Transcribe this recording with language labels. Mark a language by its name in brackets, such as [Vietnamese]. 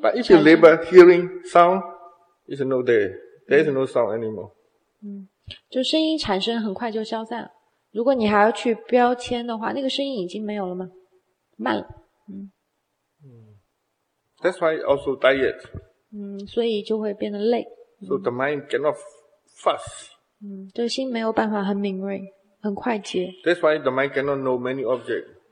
[English] But if you label hearing sound, it's no there. There is no sound anymore. [Chinese] 就声音产生很快就消散了。如果你还要去标签的话，那个声音已经没有了吗？慢了。 [English] That's why also diet. [Chinese] 所以就会变得累。 [English] So the mind cannot fast. [Chinese] 这心没有办法很敏锐，很快捷。 [English] That's why the mind cannot know many objects.